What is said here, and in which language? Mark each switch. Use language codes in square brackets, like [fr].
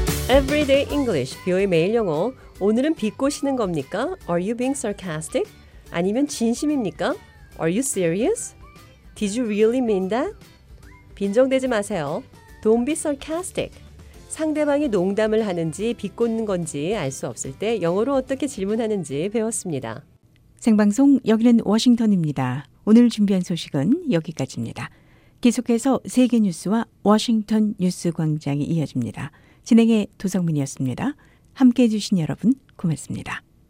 [ko] Everyday English, 뷰의 매일 영어. 오늘은 비꼬시는 겁니까? [en] Are you being sarcastic? [ko] 아니면 진심입니까? [en] Are you serious? Did you really mean that? [ko] 빈정대지 마세요. [en] Don't be sarcastic. [ko] 상대방이 농담을 하는지 비꼬는 건지 알 수 없을 때 영어로 어떻게 질문하는지 배웠습니다. 생방송 여기는 워싱턴입니다. 오늘 준비한 소식은 여기까지입니다. 계속해서 세계 뉴스와 워싱턴 뉴스 광장이 이어집니다. 진행의 도성민이었습니다. 함께해 주신 여러분 고맙습니다.